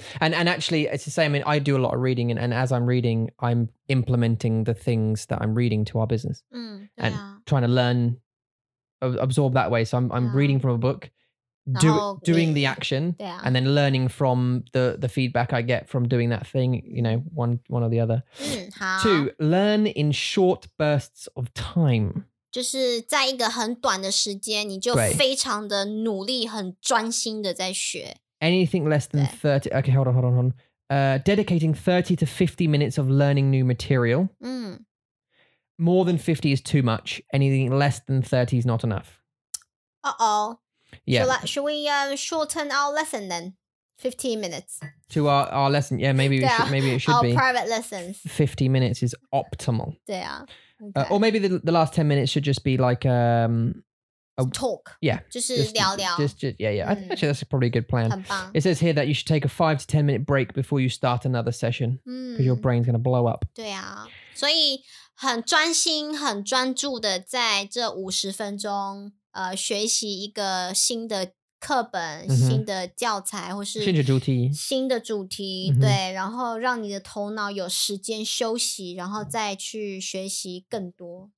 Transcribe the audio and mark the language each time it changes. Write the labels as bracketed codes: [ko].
[en] And actually, it's the same. I mean, I do a lot of reading, and as I'm reading, I'm implementing the things that I'm reading to our business and trying to learn, absorb that way. So I'm reading from a book, doing the action, and then learning from the feedback I get from doing that thing, you know, one or the other. 2, learn in short bursts of time. [zh] 就是在一个很短的时间,你就非常的努力,很专心的在学。 [en] Anything less than 30, okay, hold on. Dedicating 30 to 50 minutes of learning new material. More than 50 is too much. Anything less than 30 is not enough. Uh-oh. Yeah. Should we shorten our lesson then? 15 minutes. To our lesson, yeah, maybe we should, maybe it should our be. Our private lessons. 50 minutes is optimal. Yeah. Okay. Or maybe the last 10 minutes should just be like... talk. Yeah. Just, actually, that's probably a good plan. It says here that you should take a 5 to 10 minute break before you start another session because your brain's going to blow up. [zh] 对啊。所以很专心,很专注的在这50分钟 学习一个新的课本,新的教材,或是新的主题,对,然后让你的头脑有时间休息,然后再去学习更多。